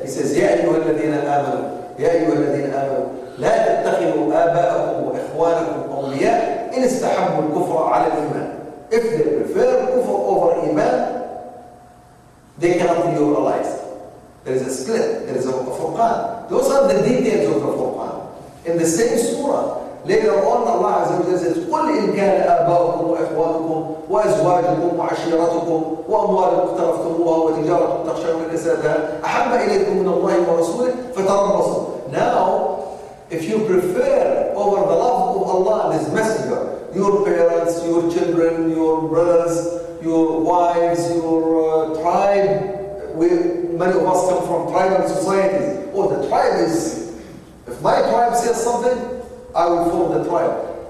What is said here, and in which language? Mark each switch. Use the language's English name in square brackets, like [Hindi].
[English] He says, [Arabic] يَا أَيُّهَا الَّذِينَ آمَنُوا يَا أَيُّهَا الَّذِينَ آمَنُوا لَا تَتَّخِذُوا آبَاءَكُمْ وَإِخْوَانَكُمْ أَوْلِيَاءَ إِنْ اسْتَحَبُّوا الْكُفْرَ عَلَى الْإِيمَانِ. [English] If they prefer kufr over iman, they cannot be your allies. There is a split, there is a furqan. Those are the details of the furqan. In the same surah, later on Allah Azza wa Jalla says, [Arabic] قُلْ إِنْ كَانَ آبَاؤُكُمْ وَإِخْوَانُكُمْ وَأَزْوَاجُكُمْ وَعَشِيرَتُكُمْ وَأَمْوَالٌ اقْتَرَفْتُمُوهَا وَتِجَارَةٌ تَخْشَوْنَ كَسَادَهَا أَحَبَّ إِلَيْكُمْ مِنَ اللَّهِ وَرَسُولِهِ فَتَرَبَّصُوا. Now, [English] If you prefer over the love of Allah and His Messenger, your parents, your children, your brothers, your wives, your tribe, many of us come from tribal societies. Oh, the tribe is, if my tribe says something, I will follow the tribe.